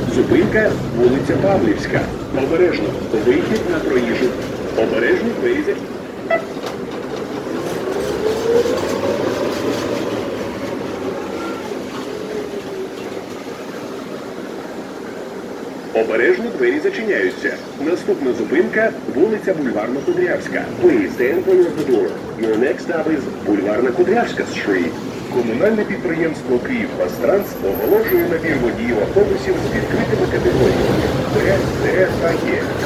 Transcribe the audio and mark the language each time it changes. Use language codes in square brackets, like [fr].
[uk] Кривенка, вулиця Павлівська. Обережно, вихід на проїжджу. Обережно, виїзд. Обережно, двері зачиняються. Наступна зупинка – вулиця Бульварна Кудрявська. [en] Please stand by the door. Your next stop is Бульварна Кудрявська Street. [uk] Комунальне підприємство «Київбастранс» оголошує набір водіїв автобусів з відкритими категоріями Д, Д та Е.